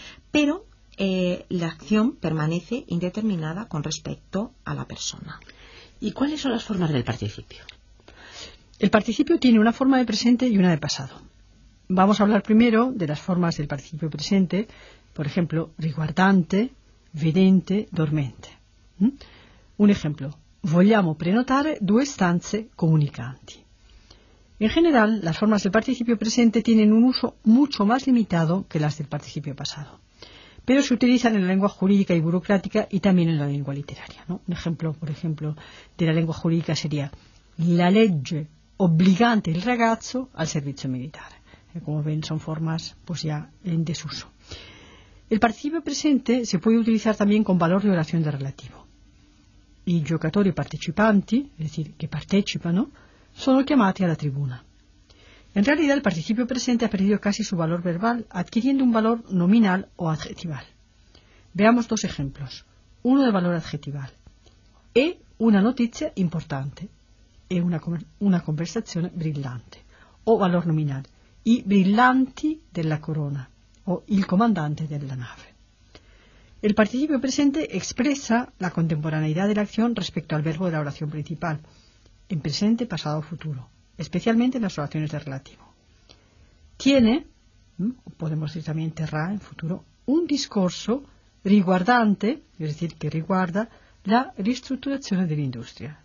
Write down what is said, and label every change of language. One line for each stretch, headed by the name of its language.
Spanish: Pero la acción permanece indeterminada con respecto a la persona. ¿Y cuáles son las formas del participio? El participio tiene una forma de presente y una de pasado. Vamos a hablar primero de las formas del participio presente, por ejemplo, riguardante, vedente, dormente. Un ejemplo,
Italian: vogliamo prenotare due stanze comunicanti.
Spanish: En general, las formas del participio presente tienen un uso mucho más limitado que las del participio pasado, pero se utilizan en la lengua jurídica y burocrática y también en la lengua literaria, ¿no? Un ejemplo, por ejemplo, de la lengua jurídica sería
Italian: la legge obbligante il ragazzo al servizio militare.
Spanish: Como ven, son formas pues ya en desuso. El participio presente se puede utilizar también con valor de oración de relativo.
Italian: I giocatori partecipanti,
Spanish: es decir, que participan,
Italian: sono chiamati alla tribuna.
Spanish: En realidad, el participio presente ha perdido casi su valor verbal, adquiriendo un valor nominal o adjetival. Veamos dos ejemplos. Uno de valor adjetival.
Italian: È una notizia importante. È una conversazione brillante.
Spanish: O valor nominal.
Italian: I brillanti della corona, o il comandante della nave.
Spanish: El participio presente expresa la contemporaneidad de la acción respecto al verbo de la oración principal, en presente, pasado o futuro, especialmente en las oraciones de relativo. Tiene, podemos decir también terrá en futuro,
Italian: un discorso riguardante,
Spanish: es decir, que riguarda la reestructuración de la industria.